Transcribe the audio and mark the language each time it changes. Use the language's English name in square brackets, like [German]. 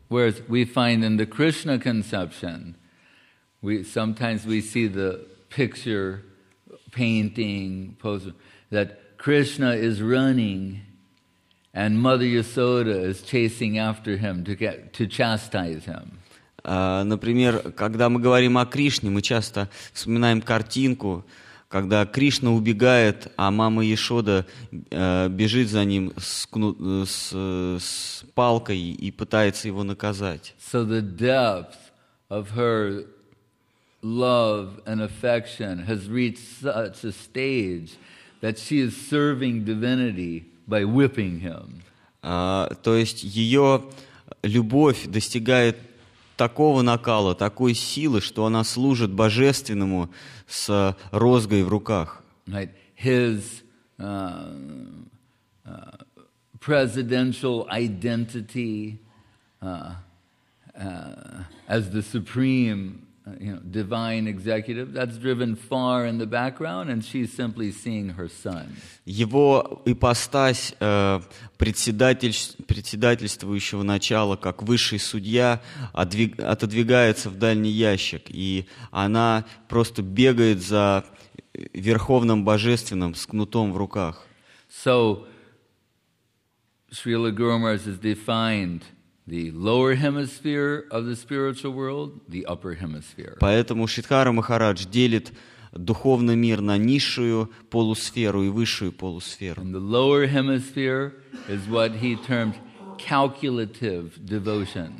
[English] Whereas we find in the Krishna conception, sometimes we see the picture, painting, pose, that Krishna is running and Mother Yasoda is chasing after him to chastise him. [Russian] Например, когда мы говорим о Кришне, мы часто вспоминаем картинку, когда Кришна убегает, а мама Яшода бежит за ним с палкой и пытается его наказать. [English] So the depth of her love and affection has reached such a stage that she is serving divinity by whipping him. [Russian] То есть ее любовь достигает такого накала, такой силы, что она служит божественному с розгой в руках. [English] Right. His presidential identity as the supreme, divine executive, that's driven far in the background, and she's simply seeing her son. [Russian] Его ипостась председательствующего начала как высший судья отодвигается в дальний ящик, и она просто бегает за верховным божественным с кнутом в руках. [English] So, Srila Guru Maharaj is defined the lower hemisphere of the spiritual world, the upper hemisphere. [Russian] Поэтому Шридхара Махарадж делит духовный мир на низшую полусферу и высшую полусферу. [English] And the lower hemisphere is what he termed calculative devotion.